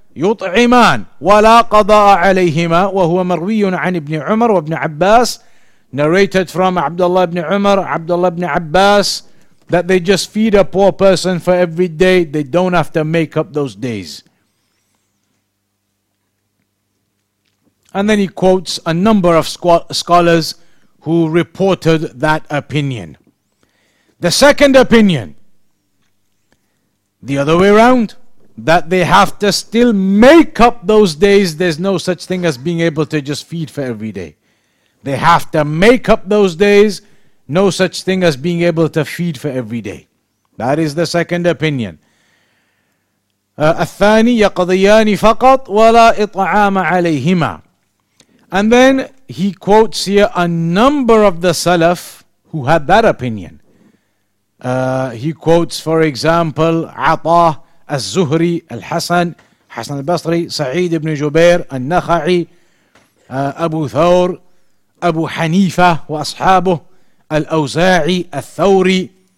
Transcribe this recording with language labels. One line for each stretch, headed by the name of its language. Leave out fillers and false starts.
Arabic: يطعمان ولا قضاء عليهما وهو مروي عن ابن عمر وابن عباس.
English: Narrated from Abdullah ibn Umar, Abdullah ibn Abbas, that they just feed a poor person for every day. They don't have to make up those days. And then he quotes a number of scholars who reported that opinion. The second opinion, the other way around, that they have to still make up those days. There's no such thing as being able to just feed for every day. They have to make up those days. No such thing as being able to feed for every day. That is the second opinion.
Arabic: الثاني يقضياني فقط ولا إطعام عليهما.
English: And then he quotes here a number of the Salaf who had that opinion. He quotes, for example, Ata, Al-Zuhri, Al-Hasan, Hasan al-Basri, Sa'id ibn Jubair, Al-Nakha'i, Abu Thawr, Abu Hanifa wa ashabuh, Al-Awza'i, Al-Thawri.